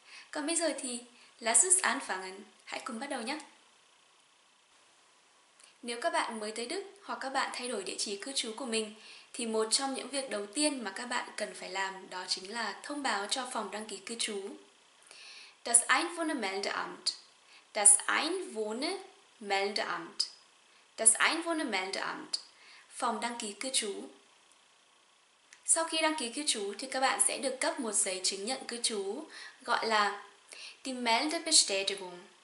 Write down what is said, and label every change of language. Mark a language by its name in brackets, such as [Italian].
[Vietnamese] Còn bây giờ thì [German] lass uns anfangen, [Vietnamese] hãy cùng bắt đầu nhé. Nếu các bạn mới tới Đức hoặc các bạn thay đổi địa chỉ cư trú của mình thì một trong những việc đầu tiên mà các bạn cần phải làm đó chính là thông báo cho phòng đăng ký cư trú. [German] Das Einwohnermeldeamt. Das Einwohnermeldeamt. Das Einwohnermeldeamt. [Vietnamese] Phòng đăng ký cư trú. Sau khi đăng ký cư trú thì các bạn sẽ được cấp một giấy chứng nhận cư trú gọi là Die Meldebestätigung.